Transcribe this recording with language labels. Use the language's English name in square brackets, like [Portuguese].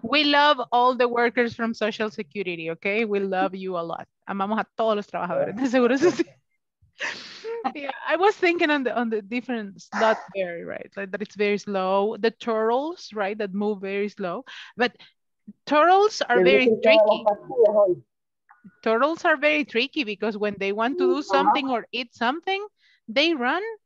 [English] We love all the workers from Social Security, okay? We love you a lot. [Spanish] Amamos a todos los trabajadores de Seguro Social. [English] Yeah, I was thinking on the different slot there, right? Like that it's very slow. The turtles, right? That move very slow. But turtles are very tricky. Turtles are very tricky because when they want to do something or eat something, they run.